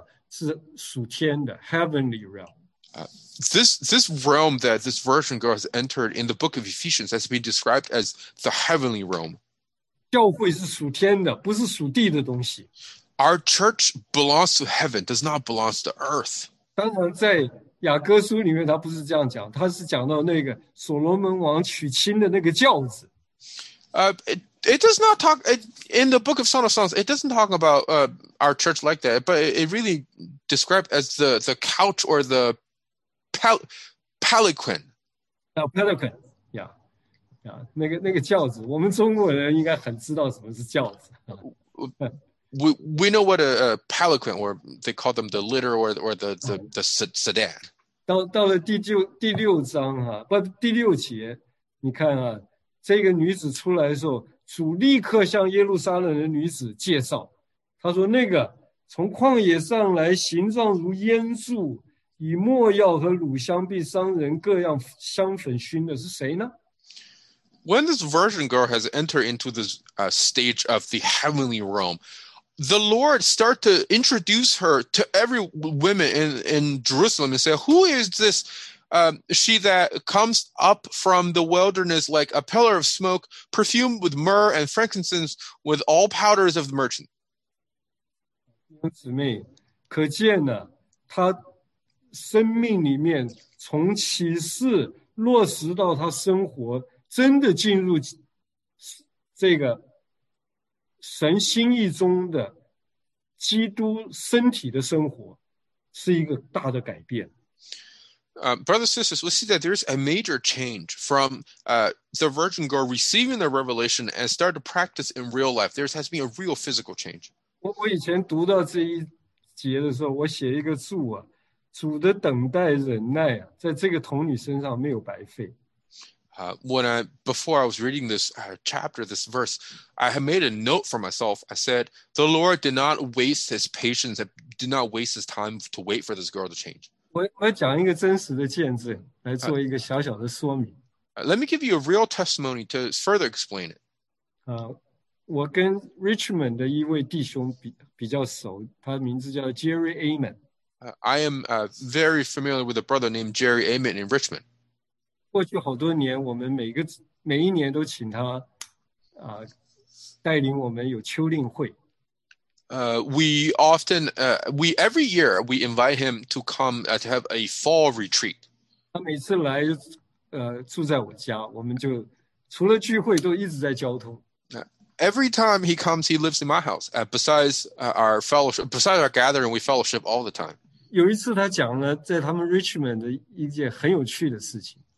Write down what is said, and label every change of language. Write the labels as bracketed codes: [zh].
[zh] 在以弗所书讲是属天的, [en] heavenly realm. This realm that this virgin girl has entered in the book of Ephesians has been described as the heavenly realm. [zh] 教会是属天的，不是属地的东西。 [en] Our church belongs to heaven, does not belong to earth. [zh] 当然在雅各书里面他不是这样讲，他是讲到那个所罗门王娶亲的那个轿子。 [en] It does not talk, in the book of Song of Songs, it doesn't talk about our church like that, but it really described as the couch or the palanquin. Palanquin, yeah. [zh] 那个轿子，我们中国人应该很知道什么是轿子。 [en] We know what a palanquin, or they call them the litter or the sedan. [zh] 到了第六章啊，不，第六节，你看啊，这个女子出来的时候，主立刻向耶路撒冷的女子介绍，他说那个从旷野上来，形状如烟柱，以墨药和乳香被商人各样香粉熏的是谁呢？ [en] When this virgin girl has entered into this stage of the heavenly realm, the Lord start to introduce her to every woman in Jerusalem and say, who is this she that comes up from the wilderness like a pillar of smoke, perfumed with myrrh and frankincense, with all powders of the merchant? [zh] 姊妹，可见呢，她生命里面从启示落实到她生活真的进入这个神心意中的基督身体的生活，是一个大的改变。 [en] Brothers and sisters, we see that there's a major change from the virgin girl receiving the revelation and start to practice in real life. There has been a real physical change. [zh] 我以前读到这一节的时候，我写一个注啊，主的等待忍耐啊，在这个童女身上没有白费。 [en] Before I was reading this chapter, this verse, I had made a note for myself. I said, the Lord did not waste his patience, did not waste his time to wait for this girl to change. [zh] 我讲一个真实的见证，来做一个小小的说明。 [en] Let me give you a real testimony to further explain it. [zh] 我跟 Richmond 的一位弟兄比较熟，他名字叫 Jerry Amen. [en] I am very familiar with a brother named Jerry Amen in Richmond. [zh] 过去好多年，我们每一年都请他带领我们有秋令会。 [en] We every year we invite him to come to have a fall retreat. [zh] 他每次来住在我家，我们就除了聚会都一直在交通。 [en] Every time he comes, he lives in my house. Besides our gathering, we fellowship all the time. [zh] 有一次他讲了在他们 Richmond 的一件很有趣的事情。